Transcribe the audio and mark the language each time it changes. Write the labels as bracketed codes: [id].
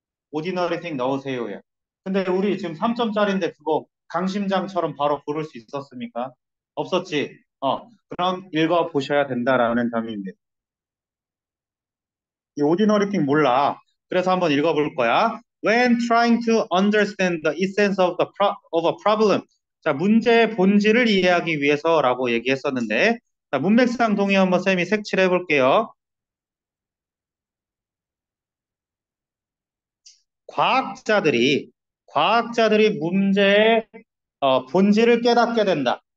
[ko] 오디너리 띵 넣으세요야. 근데 우리 지금 3점짜리인데 그거 강심장처럼 바로 부를 수 있었습니까? 없었지. 그럼 읽어 보셔야 된다라는 점입니다. 이 ordinary thing 몰라. 그래서 한번 읽어 볼 거야. [en] When trying to understand the essence of the of a problem. [ko] 자, 문제의 본질을 이해하기 위해서라고 얘기했었는데, 자, 문맥상 동의 한번 쌤이 색칠해 볼게요. 과학자들이 문제의 본질을 깨닫게 된다.